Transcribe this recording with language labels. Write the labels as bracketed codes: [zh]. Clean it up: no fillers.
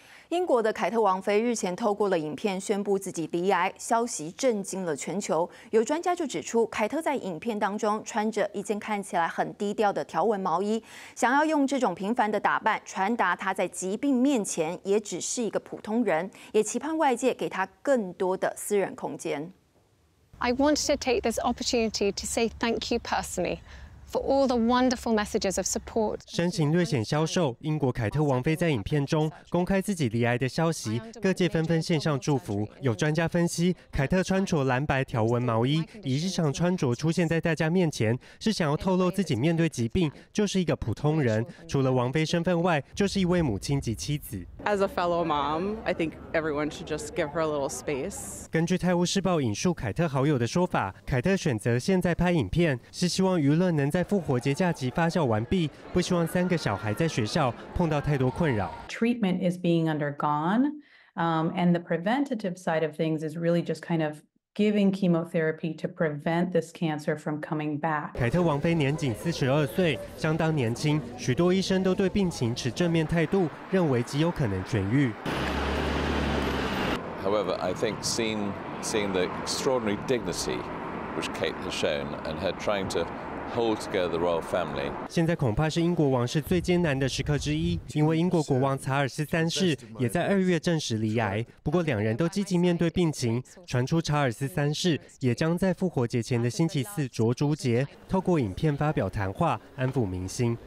[zh] 英国的凯特王妃日前透过了影片宣布自己罹癌，消息震惊了全球。有专家就指出，凯特在影片当中穿着一件看起来很低调的条纹毛衣，想要用这种平凡的打扮传达她在疾病面前也只是一个普通人，也期盼外界给她更多的私人空间。 [en] I wanted to take this opportunity to say thank you personally. For all the wonderful messages of support. [zh] 身形略显消瘦，英国凯特王妃在影片中公开自己罹癌的消息，各界纷纷献上祝福。有专家分析，凯特穿着蓝白条纹毛衣，以日常穿着出现在大家面前，是想要透露自己面对疾病就是一个普通人，除了王妃身份外，就是一位母亲及妻子。 [en] As a fellow mom, I think everyone should just give her a little space. [zh] 根据《泰晤士报》引述凯特好友的说法，凯特选择现在拍影片，是希望舆论能在复活节假期发酵完毕，不希望三个小孩在学校碰到太多困扰。 [en] Treatment is being undergone, and the preventative side of things is really just kind of giving chemotherapy to prevent this cancer from coming back. [zh] 凯特王妃年仅42岁，相当年轻，许多医生都对病情持正面态度，认为极有可能痊愈。 [en] However, I think seeing the extraordinary dignity which Kate has shown and her trying to hold together the royal family. [zh] 现在恐怕是英国王室最艰难的时刻之一，因为英国国王查尔斯三世也在2月证实罹癌。不过两人都积极面对病情，传出查尔斯三世也将在复活节前的星期四着珠节，透过影片发表谈话，安抚民心。